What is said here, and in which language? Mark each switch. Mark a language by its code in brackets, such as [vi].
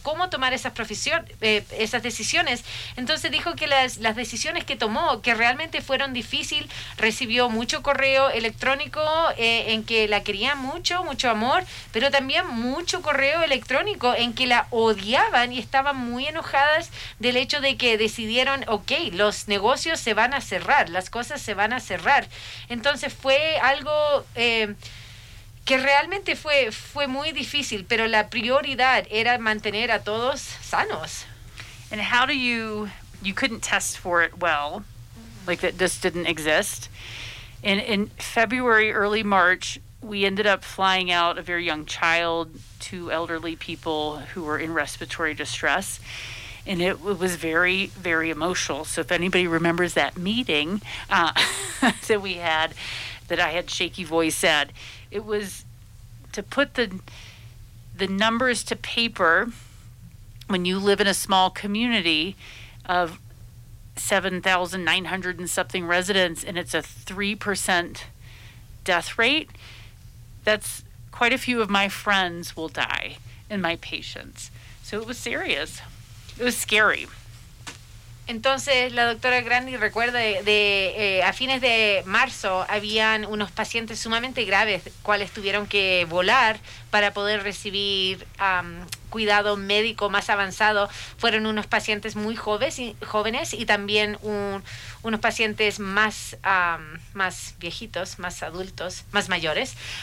[es] ¿Cómo tomar esas decisiones? Entonces dijo que las decisiones que tomó, que realmente fueron difíciles, recibió mucho correo electrónico en que la quería mucho, mucho amor, pero también mucho correo electrónico en que la odiaban y estaban muy enojadas del hecho de que decidieron, ok, los negocios se van a cerrar, las cosas se van a cerrar. Entonces fue algo que realmente fue muy difícil, pero la prioridad era mantener a todos sanos. [en] And how do you couldn't test for it well, like that this didn't exist. In February, early March, we ended up flying out a very young child, two elderly people who were in respiratory distress, and it was very, very emotional. So if anybody remembers that meeting that we had, that I had shaky voice at, it was to put the numbers to paper. When you live in a small community of 7,900 and something residents and it's a 3% death rate, that's quite a few of my friends will die and my patients. So it was serious. It was scary. [es] Entonces, la doctora Grandi recuerda a fines de marzo habían unos pacientes sumamente graves, cuales tuvieron que volar para poder recibir cuidado médico más avanzado. Fueron unos pacientes muy jóvenes y también unos pacientes más, más viejitos, más adultos, más mayores.